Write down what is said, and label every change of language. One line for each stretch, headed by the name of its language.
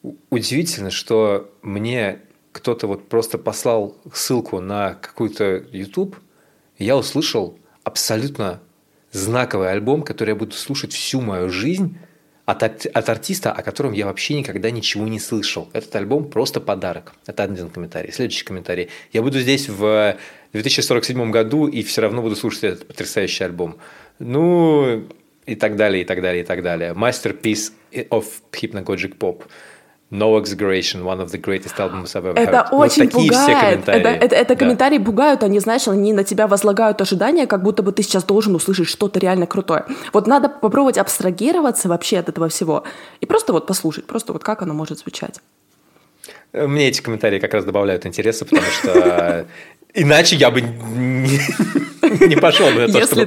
Russian: Удивительно, что мне кто-то вот просто послал ссылку на какой-то Ютуб, и я услышал абсолютно знаковый альбом, который я буду слушать всю мою жизнь от артиста, о котором я вообще никогда ничего не слышал. Этот альбом просто подарок. Это один комментарий. Следующий комментарий. Я буду здесь в 2047 году и все равно буду слушать этот потрясающий альбом. Ну, и так далее, и так далее, и так далее.
English: Masterpiece of Hypnagogic Pop. No Exaggeration, one of the greatest albums I've ever heard.
Russian: Это очень пугает. Это комментарии пугают, они, знаешь, они на тебя возлагают ожидания, как будто бы ты сейчас должен услышать что-то реально крутое. Вот надо попробовать абстрагироваться вообще от этого всего и просто вот послушать, просто вот как оно может звучать. Мне эти комментарии как раз добавляют интереса, потому что иначе я бы не пошел бы на то, чтобы послушать.